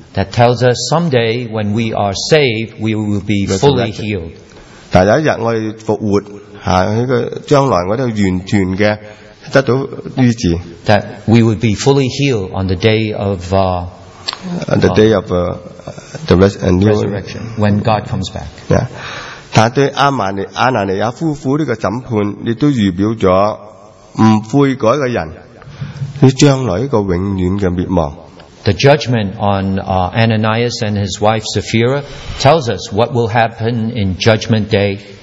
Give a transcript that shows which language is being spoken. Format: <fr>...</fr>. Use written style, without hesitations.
<en>That tells us someday when we are saved, we will be fully healed.</en> <zh>但有一天我们复活，将来我们完全的得到医治。</zh> <en>That we would be fully healed on the day of the resurrection, when God comes back. Yeah.</en> <zh>但对亚拿尼亚夫妇这个审判，亦都预表了不悔改的人，将来一个永远的灭亡。</zh> <en>The judgment on Ananias and his wife Sapphira tells us what will happen in judgment day.</en>